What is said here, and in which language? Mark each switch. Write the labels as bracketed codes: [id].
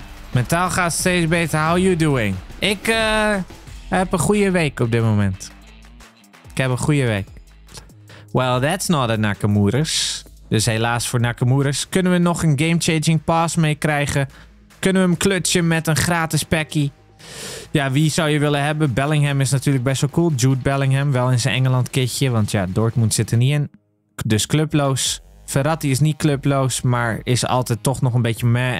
[nl] Mentaal gaat steeds beter. [en] How you doing? [nl] Ik heb een goede week op dit moment. Ik heb een goede week. [en] Well, that's not a Nakamura's. [nl] Dus helaas voor Nakamura's. Kunnen we nog een game-changing pass meekrijgen? Kunnen we hem klutchen met een gratis packie? Ja, wie zou je willen hebben? Bellingham is natuurlijk best wel cool. Jude Bellingham, wel in zijn Engeland kitje. Want ja, Dortmund zit er niet in. Dus clubloos. Verratti is niet clubloos, maar is altijd toch nog een beetje meh.